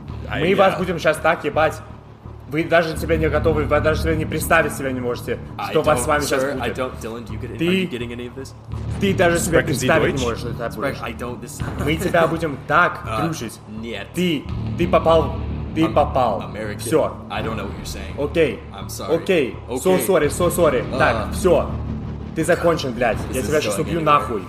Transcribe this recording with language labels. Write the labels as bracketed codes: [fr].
[ru] Мы вас будем сейчас так ебать. Вы даже себе не готовы, вы даже себе не представить себе не можете, что вас с вами [en] sir, [ru] сейчас будет. [en] I don't, Dylan, do you get, [ru] ты, [en] are you getting any of this? [ru] Ты даже себе представить не можешь, что это [en] I don't, this... [ru] Мы тебя будем так дружить. Нет. Ты попал... Ты попал. [en] American. [ru] Все. [en] I don't know what you're saying. [ru] Окей. [en] I'm sorry. [ru] Окей. [en] Okay. So sorry. [ru] Так, все. Ты закончен, блядь. Я тебя сейчас убью нахуй.